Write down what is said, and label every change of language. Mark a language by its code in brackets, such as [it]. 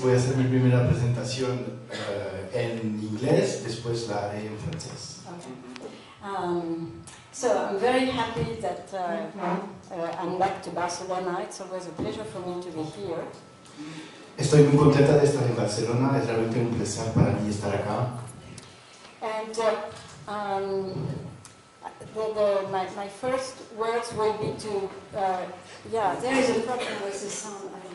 [es] Voy a hacer mi primera presentación en inglés, después la haré en francés. [en] So I'm very happy that I'm back to Barcelona. It's always a pleasure for me to be here. [es] Estoy muy contenta de estar en Barcelona, es realmente un placer para mí estar acá. [en] And my first words will be to there is a problem with the sound.